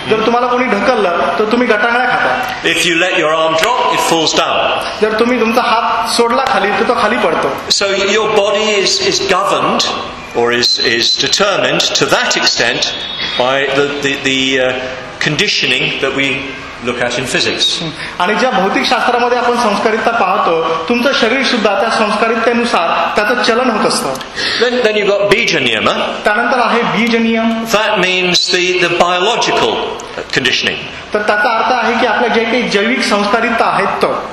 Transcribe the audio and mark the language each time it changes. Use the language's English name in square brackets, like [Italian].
[Marathi] जर तुम्हाला कोणी ढकललं तर तुम्ही गटांगळ्या खाता. [English] If you let your arm drop, it falls down. [Marathi] जर तुम्ही तुमचा हात सोडला खाली तर तो खाली पडतो. [English] So your body is governed or is determined to that extent by the conditioning that we look at in physics. [Marathi] आणि ज्या भौतिक शास्त्रामध्ये आपण संस्कारितता पाहतो तुमचं शरीर सुद्धा त्या संस्कारितेनुसार त्याचं चलन होत असतं. [English] Then you got bija niyama. [Marathi] त्यानंतर आहे बीज नियम. [English] That means the biological conditioning. [Marathi] तर त्याचा अर्थ आहे की आपल्या जे काही जैविक संस्कारितता आहेत तो.